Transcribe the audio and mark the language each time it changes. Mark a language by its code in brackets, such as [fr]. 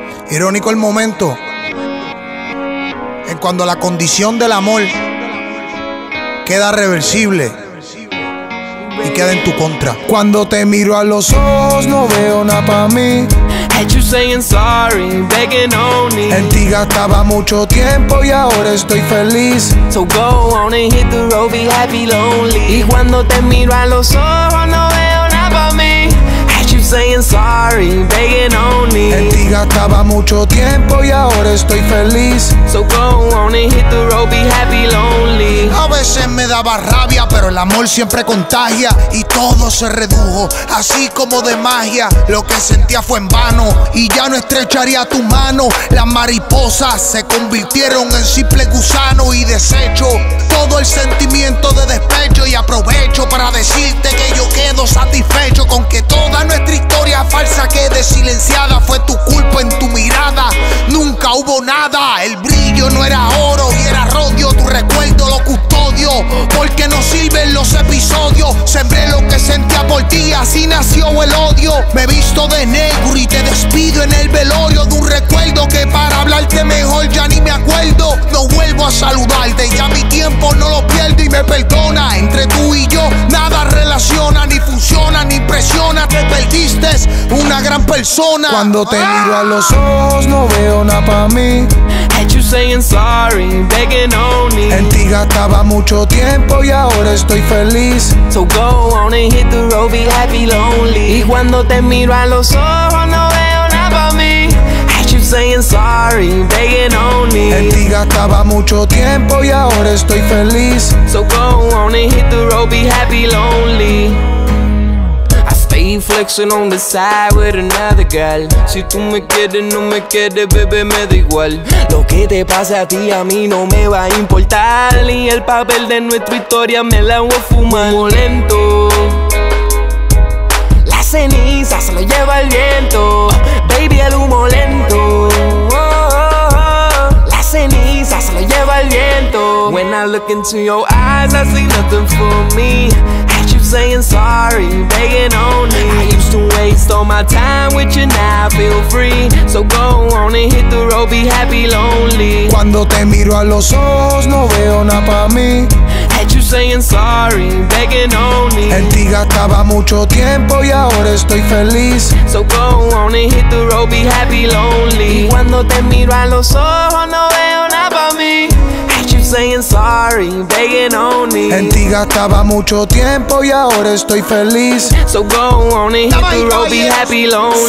[es] Irónico el momento en cuando la condición del amor queda reversible y queda en tu contra. Cuando te miro a los ojos no veo nada pa' mí. [en] Had you saying sorry, begging on me. [es] En ti gastaba mucho tiempo y ahora estoy feliz. [en] So go on and hit the road, be happy, lonely. [es] Y cuando te miro a los ojos no veo nada pa' mí. [en] Had you saying sorry, begging on me. [es] En ti gastaba mucho tiempo y ahora estoy feliz. [en] So go on and hit the road, be happy, lonely. [es] A veces me daba rabia, pero el amor siempre contagia. Y todo se redujo, así como de magia. Lo que sentía fue en vano, y ya no estrecharía tu mano. Las mariposas se convirtieron en simple gusano y desecho todo el sentimiento de despecho. Y aprovecho para decirte que yo quedo satisfecho con que toda nuestra historia falsa quede silenciada. Fue tu culpa en tu mirada, nunca hubo nada. El brillo no era oro y era rodio. Tu recuerdo lo custodio, porque no sirven los episodios. Sembré lo que sentía por ti, así nació el odio. Me visto de negro y te despido en el velorio de un recuerdo que para hablarte mejor ya ni me acuerdo. No vuelvo a saludarte, ya mi tiempo no lo pierdo y me perdona. Entre tú y yo nada relaciona, ni funciona, ni presiona. Te perdiste una gran persona. Cuando te miro a los ojos no veo nada pa' mí. [en] Had you saying sorry, begging on me. [es] En ti gastaba mucho tiempo y ahora estoy feliz. [en] So go on and hit the road, be happy, lonely. [es] Y cuando te miro a los ojos no veo nada pa' mí. [en] Had you saying sorry, begging on me. [es] En ti gastaba mucho tiempo y ahora estoy feliz. [en] So go on and hit the road, be happy, lonely. Flexing on the side with another girl. [es] Si tú me quieres, no me quieres, bebé, me da igual. Lo que te pase a ti, a mí no me va a importar. Y el papel de nuestra historia me la voy a fumar. Humo lento, la ceniza se lo lleva el viento. Baby, el humo lento, oh, oh, oh. La ceniza se lo lleva el viento. [en] When I look into your eyes, I see nothing for me. Saying sorry, begging on me. I used to waste all my time with you, now I feel free. So go on and hit the road, be happy, lonely. [es] Cuando te miro a los ojos no veo nada pa' mí. [en] Had you saying sorry, begging on me. [es] En ti gastaba mucho tiempo y ahora estoy feliz. [en] So go on and hit the road, be happy, lonely. [es] Y cuando te miro a los ojos no veo nada pa' mí. [en] Saying sorry, begging on me. [es] En ti gastaba mucho tiempo y ahora estoy feliz. [en] So go on and hit the road, be happy, lonely.